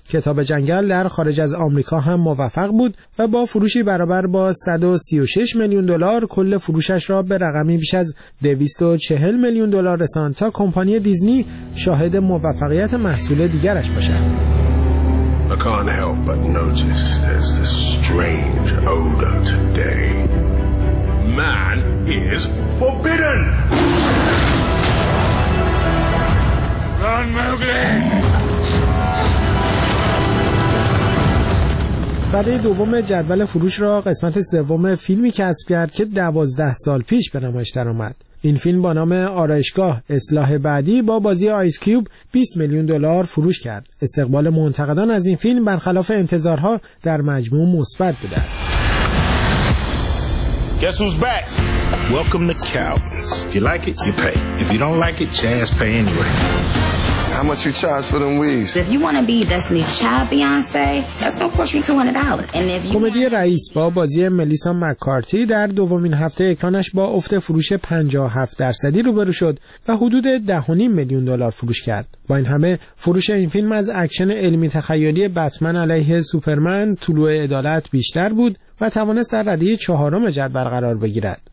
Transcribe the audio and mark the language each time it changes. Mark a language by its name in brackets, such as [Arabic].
[Persian] کتاب جنگل در خارج از آمریکا هم موفق بود و با فروشی برابر با 136 میلیون دلار کل فروشش را به رقمی بیش از 240 میلیون دلار رساند تا کمپانی دیزنی شاهد موفقیت محصول دیگرش باشد. [English] I can't help but notice there's this strange odor today. Man is forbidden! Run, Mowgli! [Persian] برای دوم جدول فروش را قسمت سوم فیلمی کسب کرد که 12 سال پیش به نمایش درآمد. این فیلم با نام آرایشگاه اصلاح بعدی با بازی آیس کیوب 20 میلیون دلار فروش کرد. استقبال منتقدان از این فیلم برخلاف انتظارها در مجموع مثبت بوده است. [English] Guess who's back? Welcome to Calvin's. If you like it, you pay. If you don't like it, just pay anyway. How much you charge for them weaves? If you want to be Destiny's Child Beyonce, that's gonna cost you $200. And if you [Persian] کمدی رئیس با بازی ملیسا مک‌کارتی در دومین هفته اکرانش با افت فروش 57% روبرو شد و حدود 10.5 میلیون دلار فروش کرد. با این همه فروش این فیلم از اکشن علمی تخیلی بتمن علیه سوپرمن طلوع عدالت بیشتر بود و توانست در ردیه چهارم جدول قرار بگیرد.